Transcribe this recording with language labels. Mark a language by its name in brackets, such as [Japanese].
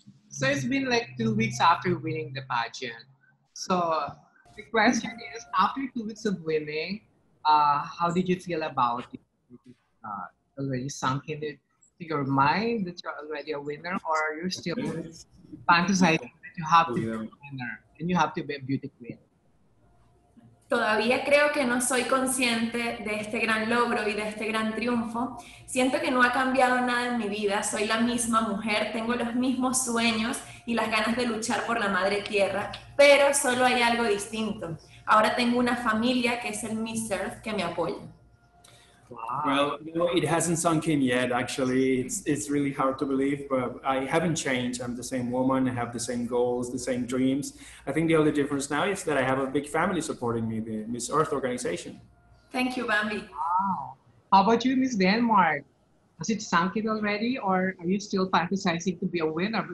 [English] So it's been like 2 weeks after winning the pageant. So the question is, after 2 weeks of winning, how did you feel about it? Already sunk into your mind that you're already a winner, or you're still fantasizing that you have to be a winner and you have to be a beauty queen? [Spanish] Todavía creo que no soy consciente de este gran logro y de este gran triunfo. Siento que no ha cambiado nada en mi vida. Soy la misma mujer, tengo los mismos sueños y las ganas de luchar por la madre tierra, pero solo hay algo distinto. Ahora tengo una familia que es el Miss Earth que me apoya. Wow. [English] Well, you know, it hasn't sunk in yet, actually. It's really hard to believe, but I haven't changed. I'm the same woman. I have the same goals, the same dreams. I think the only difference now is that I have a big family supporting me, the Miss Earth organization. Thank you, Bambbi. Wow. How about you, Miss Denmark? Has it sunk in already, or are you still fantasizing to be a winner?